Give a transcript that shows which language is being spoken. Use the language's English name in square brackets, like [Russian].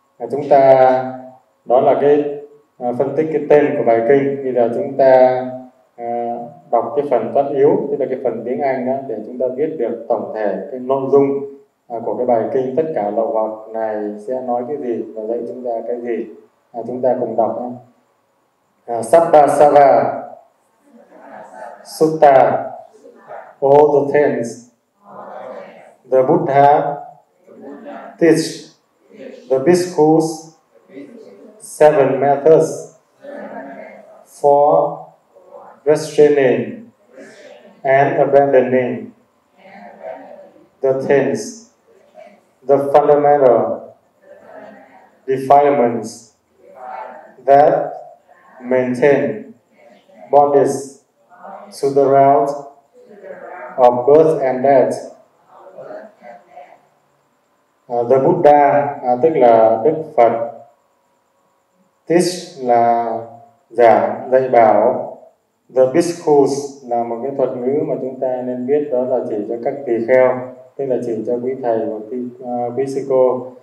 [Vietnamese] Chúng ta, đó là cái phân tích cái tên của bài kinh. Bây giờ chúng ta đọc cái phần tất yếu, tức là cái phần tiếng Anh đó, để chúng ta biết được tổng thể cái nội dung của cái bài kinh. Tất cả lậu hoặc này sẽ nói cái gì và dạy chúng ta cái gì. Chúng ta cùng đọc nhé. [English] Sabbasava Sutta, all the things the Buddha teach, the bhikkhus, seven methods for restraining and abandoning the things, the fundamental defilements that maintain bodies to the realm of birth and death. [Vietnamese] The Buddha, tức là Đức Phật, teach là giảng, dạy bảo. The bhikkhus là một cái thuật ngữ mà chúng ta nên biết, đó là chỉ cho các tỳ kheo, tức là chỉ cho quý thầy và quý sư cô.